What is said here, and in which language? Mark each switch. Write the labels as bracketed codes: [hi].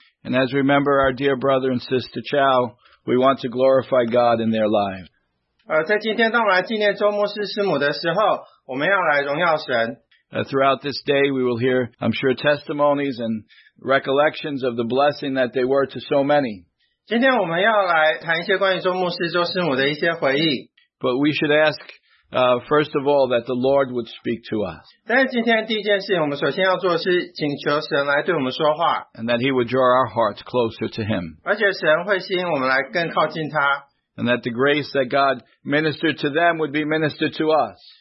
[en] And as we remember our dear brother and sister Chow, we want to glorify God in their lives. [zh] 在今天当我们来纪念周牧师师母的时候,我们要来荣耀神。 [en] Throughout this day, we will hear, I'm sure, testimonies and recollections of the blessing that they were to so many. [zh] 今天我们要来谈一些关于周牧师周师母的一些回忆。 [en] But we should ask, first of all, that the Lord would speak to us. [zh] 但是今天第一件事情我们首先要做的是请求神来对我们说话。 [en] And that He would draw our hearts closer to Him. [zh] 而且神会吸引我们来更靠近他。 [en] And that the grace that God ministered to them would be ministered to us.